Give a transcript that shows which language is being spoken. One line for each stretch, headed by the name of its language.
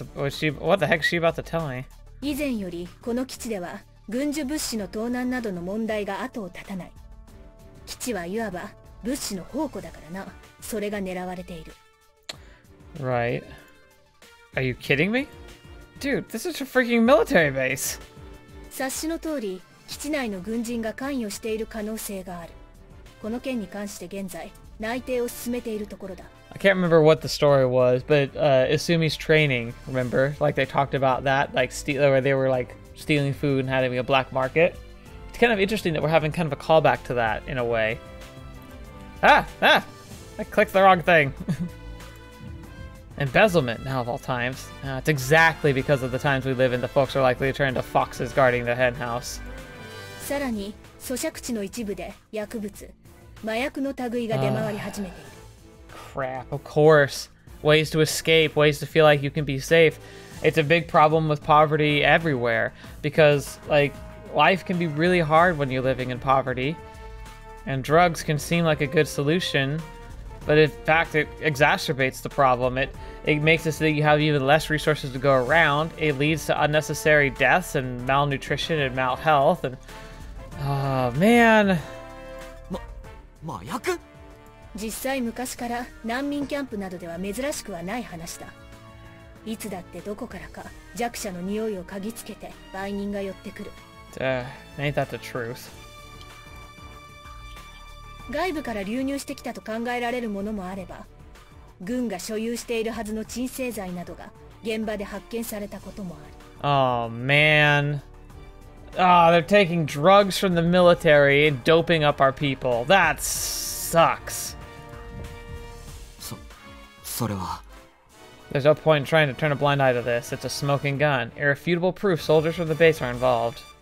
English: What the heck's she about to tell me?
Japanese: 以前よりこの基地では軍需物資の盗難などの問題が後を絶たない。基地はいわば物資の宝庫だからな。それが狙われている。
English: Right. Are you kidding me? Dude, this is a freaking military base.
Japanese: 察しの通り、基地内の軍人が関与している可能性がある。この件に関して現在、内定を進めているところだ。
English: I can't remember what the story was, but Izumi's training, remember? Like they talked about that, like where they were like stealing food and having a black market. It's kind of interesting that we're having kind of a callback to that in a way. I clicked the wrong thing. Embezzlement now of all times. It's exactly because of the times we live in the folks are likely to turn into foxes guarding the hen house.
Japanese: さらに、咀嚼地の一部で薬物、麻薬の類が出回り始めている。
English: Crap, of course. Ways to escape, ways to feel like you can be safe. It's a big problem with poverty everywhere because, like, life can be really hard when you're living in poverty. And drugs can seem like a good solution, but in fact, it exacerbates the problem. It makes it so that you have even less resources to go around. It leads to unnecessary deaths and malnutrition and malhealth. And, man.
Japanese: 麻薬? 実際昔から難民キャンプなどでは珍しくはない話だ。いつだってどこからか弱者の匂いを嗅ぎつけて売人が寄ってくる。
English: Ain't that the truth?
Japanese: 外部から流入してきたと考えられるものもあれば、軍が所有しているはずの鎮静剤などが現場で発見されたこともある。
English: Oh man. Ah, they're taking drugs from the military and doping up our people. That sucks. There's no point in trying to turn a blind eye to this. It's a smoking gun. Irrefutable proof soldiers from the base are involved.